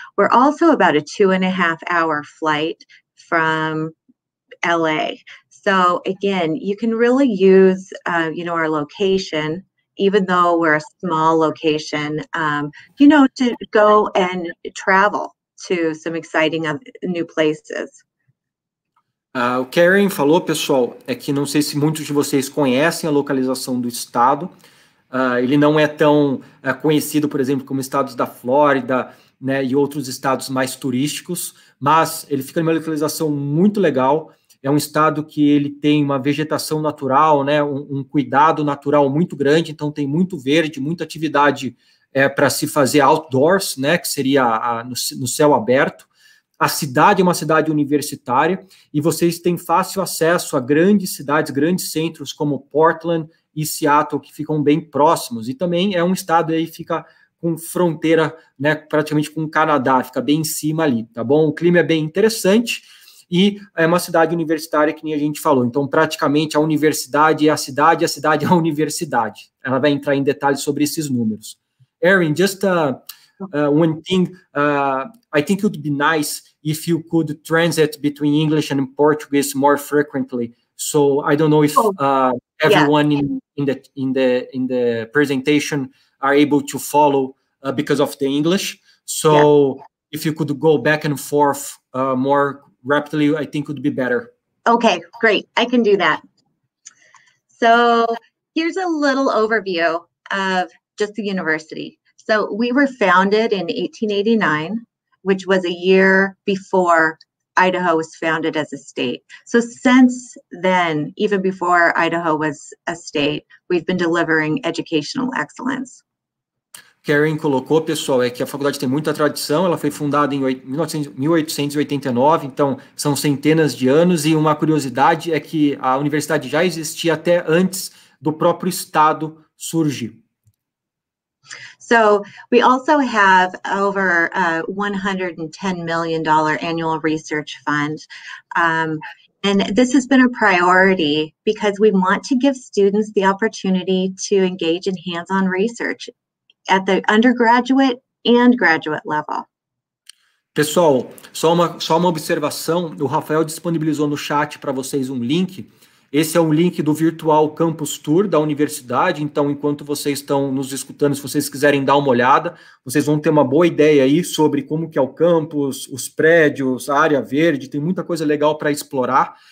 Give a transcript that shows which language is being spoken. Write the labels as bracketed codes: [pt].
[en] We're also about a 2.5 hour flight from LA. So again, you can really use, you know, our location even though we're a small location, you know, to go and travel to some exciting new places. [pt] O Karen falou, pessoal, é que não sei se muitos de vocês conhecem a localização do estado. Ele não é tão conhecido, por exemplo, como estados da Flórida, né, e outros estados mais turísticos, mas ele fica numa localização muito legal. É um estado que ele tem uma vegetação natural, né, um cuidado natural muito grande, então tem muito verde, muita atividade para se fazer outdoors, né, que seria no céu aberto. A cidade é uma cidade universitária e vocês têm fácil acesso a grandes cidades, grandes centros como Portland e Seattle, que ficam bem próximos. E também é um estado aí que fica com fronteira, né, praticamente com o Canadá, fica bem em cima ali, tá bom? O clima é bem interessante e é uma cidade universitária, que nem a gente falou. Então, praticamente, a universidade é a cidade e a cidade é a universidade. Ela vai entrar em detalhes sobre esses números. [en] Erin, just one thing, I think it would be nice if you could transit between English and Portuguese more frequently. So I don't know if everyone in the presentation are able to follow because of the English. So if you could go back and forth more rapidly, I think it would be better. Okay, great. I can do that. So here's a little overview of just the university. So we were founded in 1889, which was a year before Idaho was founded as a state. So since then, even before Idaho was a state, we've been delivering educational excellence. [pt] Karen colocou, pessoal, é que a faculdade tem muita tradição, ela foi fundada em 1889, então são centenas de anos, e uma curiosidade é que a universidade já existia até antes do próprio estado surgir. [en] So we also have over a $110 million annual research fund. And this has been a priority because we want to give students the opportunity to engage in hands-on research at the undergraduate and graduate level. [pt] Pessoal, só uma observação, o Rafael disponibilizou no chat para vocês um link. Esse é o link do Virtual Campus Tour da universidade, então enquanto vocês estão nos escutando, se vocês quiserem dar uma olhada, vocês vão ter uma boa ideia aí sobre como que é o campus, os prédios, a área verde, tem muita coisa legal para explorar.